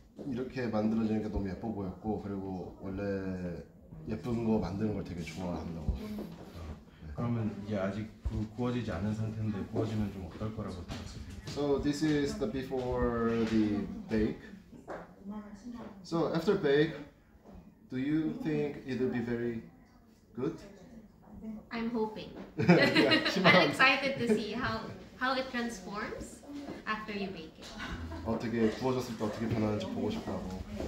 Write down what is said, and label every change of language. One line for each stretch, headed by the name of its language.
Korean: 이렇게 만들어지는 게 너무 예뻐 보였고 그리고 원래 예쁜 거 만드는 걸 되게 좋아한다고. 그러면 이제 아직 그 구워지지 않은 상태인데 구워지면 좀 어떨 거라고 생각하세요?
English: So this is the before the bake. So after bake, do you think it'll be very good? I'm hoping. I'm excited to see how it transforms after you bake it.
Korean: 어떻게 구워졌을 때 어떻게 변하는지 보고 싶다고.